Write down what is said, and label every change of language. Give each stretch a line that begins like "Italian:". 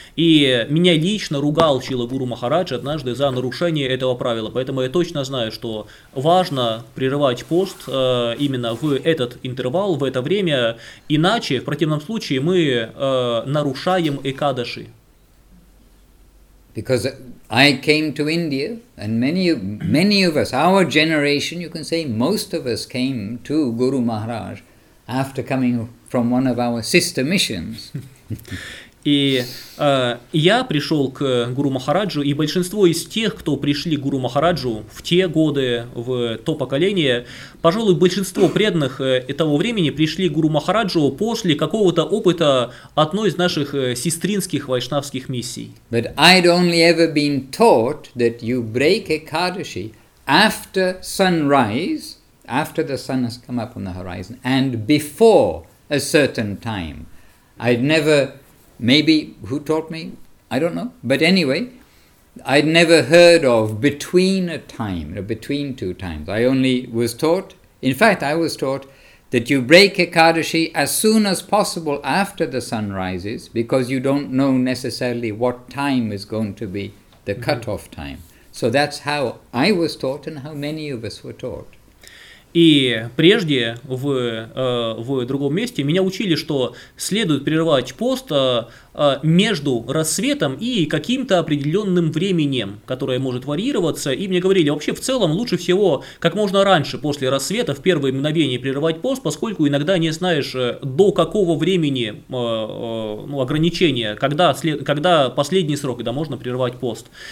Russian: И меня лично ругал Шрила Гуру Махарадж однажды за нарушение этого правила. Поэтому я точно знаю, что важно прерывать пост именно в этот интервал, в это время. Иначе, в противном случае, мы нарушаем Экадаши.
English: Because I came to India, and many of us, our generation, you can say most of us came to Guru Maharaj after coming from one of our sister missions.
Russian: Я пришел к Гуру Махараджу, и большинство из тех, кто пришли к Гуру Махараджу в те годы, в то поколение, пожалуй, большинство преданных того времени пришли к Гуру Махараджу после какого-то опыта одной из наших сестринских вайшнавских миссий.
English: But I'd only ever been taught that you break Ekadashi after sunrise, after the sun has come up on the horizon, and before a certain time. I'd never... Maybe, who taught me? I don't know. But anyway, I'd never heard of between a time, or between two times. I only was taught, in fact, I was taught that you break Ekadashi as soon as possible after the sun rises, because you don't know necessarily what time is going to be the cutoff time. So that's how I was taught and how many of us were taught.
Russian: И прежде в другом месте меня учили, что следует прерывать пост между рассветом и каким-то определенным временем, которое может варьироваться. И мне говорили, вообще в целом лучше всего как можно раньше после рассвета в первые мгновения прерывать пост, поскольку иногда не знаешь до какого времени ограничения, когда последний срок, когда можно прерывать пост.